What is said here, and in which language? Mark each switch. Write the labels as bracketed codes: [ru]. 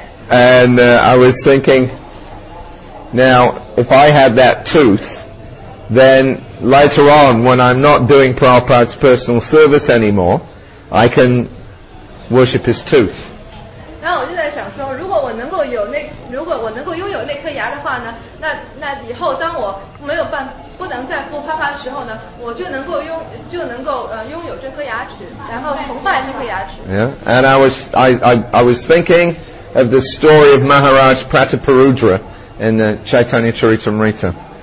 [en] And I was thinking, now, if I had that tooth, then later on, when I'm not doing Prabhupada's personal service anymore, I can worship his tooth. [zh] 然后我就在想说，如果我能够拥有那颗牙的话呢，那以后当我没有办不能再服啪啪的时候呢，我就能够拥有这颗牙齿，然后崇拜这颗牙齿。 [en] Yeah, and I was thinking of the story of Maharaj Prataparudra in the Chaitanya Charitamrita.